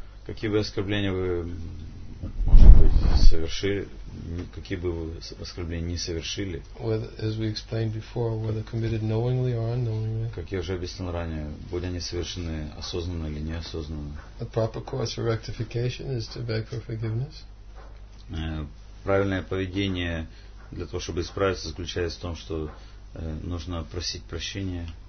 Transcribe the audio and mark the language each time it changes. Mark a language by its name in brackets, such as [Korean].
[Russian] Какие бы оскорбления вы, может быть, совершили, какие бы вы оскорбления не совершили. [English] As we explained before, whether committed knowingly or unknowingly. [Russian] Как я уже объяснил ранее, будь они совершены осознанно или неосознанно. [English] The proper course of rectification is to beg for forgiveness. [Russian] Правильное поведение для того, чтобы исправиться, заключается в том, что нужно просить прощения.